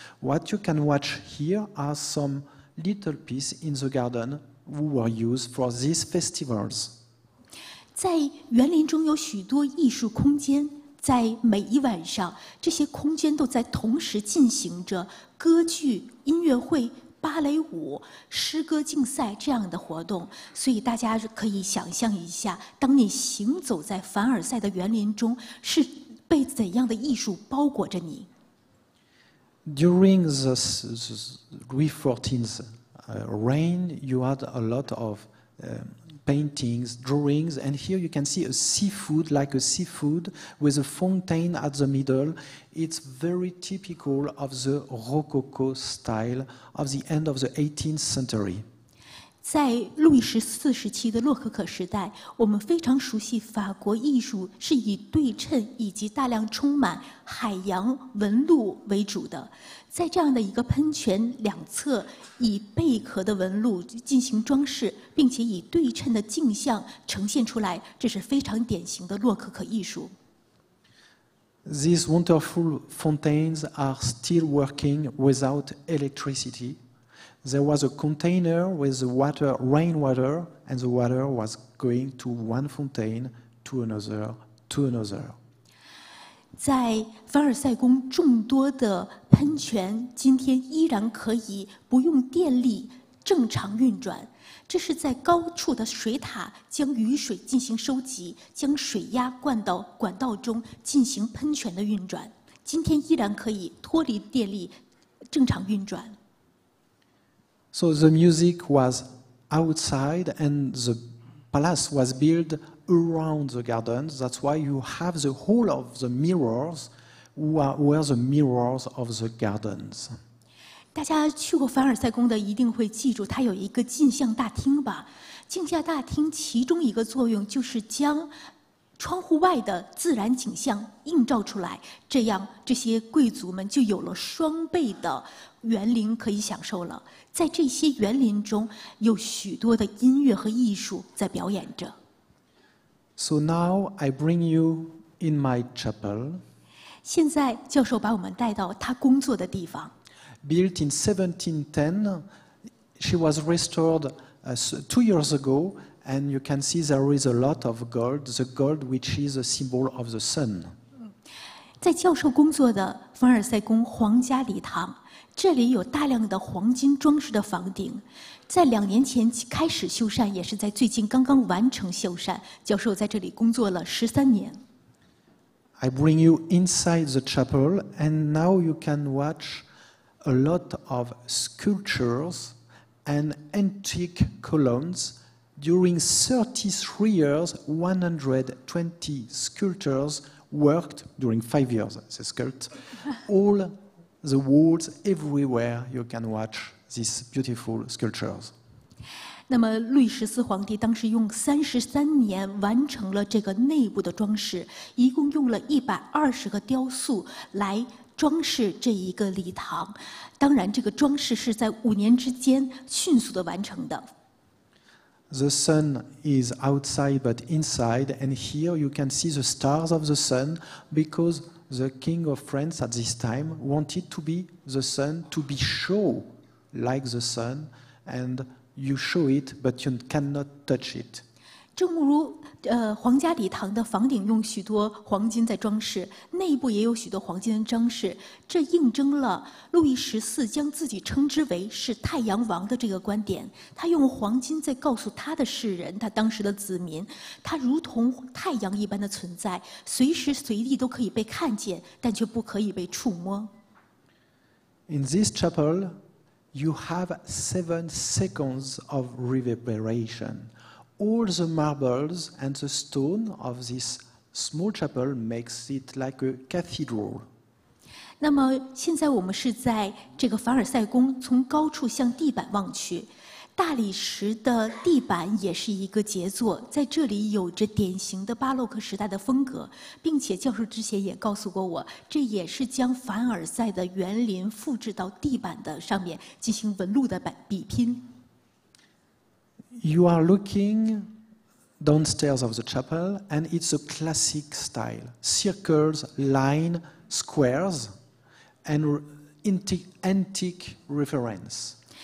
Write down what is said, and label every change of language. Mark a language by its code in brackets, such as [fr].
[en] What you can watch here are some little pieces in the garden who were used for these festivals. [zh] 在园林中有许多艺术空间，在每一晚上，这些空间都在同时进行着歌剧、音乐会、芭蕾舞、诗歌竞赛这样的活动。所以大家可以想象一下，当你行走在凡尔赛的园林中，是被怎样的艺术包裹着你。 [en] During the Louis XIV's reign, you had a lot of paintings, drawings, and here you can see a seafood, like a seafood, with a fountain at the middle. It's very typical of the Rococo style of the end of the 18th century. [zh] 在路易十四时期的洛可可时代，我们非常熟悉法国艺术是以对称以及大量充满海洋纹路为主的。在这样的一个喷泉两侧以贝壳的纹路进行装饰，并且以对称的镜像呈现出来，这是非常典型的洛可可艺术。 [en] These wonderful fountains are still working without electricity. There was a container with the water, rainwater, and the water was going to one fountain, to another, to another. [zh] 在凡尔赛宫众多的喷泉今天依然可以不用电力正常运转，这是在高处的水塔将雨水进行收集，将水压灌到管道中进行喷泉的运转，今天依然可以脱离电力正常运转。 [en] So the music was outside and the palace was builtAround the garden, that's why you have the whole of the mirrors, where the mirrors of the gardens. [zh] 大家去过凡尔赛宫的一定会记住，它有一个镜像大厅吧？镜像大厅其中一个作用就是将窗户外的自然景象映照出来，这样这些贵族们就有了双倍的园林可以享受了。在这些园林中，有许多的音乐和艺术在表演着。 [en] So now I bring you in my chapel. [zh] 现在教授把我们带到他工作的地方。 [en] Built in 1710, she was restored two years ago, and you can see there is a lot of gold, the gold which is a symbol of the sun. [zh] 在教授工作的凡尔赛宫皇家礼堂，这里有大量的黄金装饰的房顶。在两年前开始修缮，也是在最近刚刚完成修缮。教授在这里工作了13年。 [en] I bring you inside the chapel, and now you can watch a lot of sculptures and antique columns. During 33 years, 120 sculptures worked during 5 years. The sculpt, all the walls, everywhere you can watch. These beautiful sculptures. [zh] 那么路易十四皇帝当时用33年完成了这个内部的装饰，一共用了120个雕塑来装饰这一个礼堂。当然，这个装饰是在5年之间迅速的完成的。 [en] The sun is outside, but inside, and here you can see the stars of the sun because the king of France at this time wanted to be the sun to be shown. Like the sun, and you show it, but you cannot touch it. [zh] 正如皇家礼堂的房顶用许多黄金在装饰，内部也有许多黄金的装饰，这印证了路易十四将自己称之为是太阳王的这个观点。他用黄金在告诉他的世人，他当时的子民，他如同太阳一般的存在，随时随地都可以被看见，但却不可以被触摸。 [en] In this chapel. You have 7 seconds of reverberation. All the marbles and the stone of this small chapel makes it like a cathedral. [zh] 那么现在我们是在这个凡尔赛宫，从高处向地板望去，大理石的地板也是一个杰作，在这里有着典型的巴洛克时代的风格，并且教授之前也告诉过我，这也是将凡尔赛的园林复制到地板的上面进行纹路的比拼。 [en] You are looking downstairs of the chapel, and it's a classic style: circles, line, squares, and antique reference.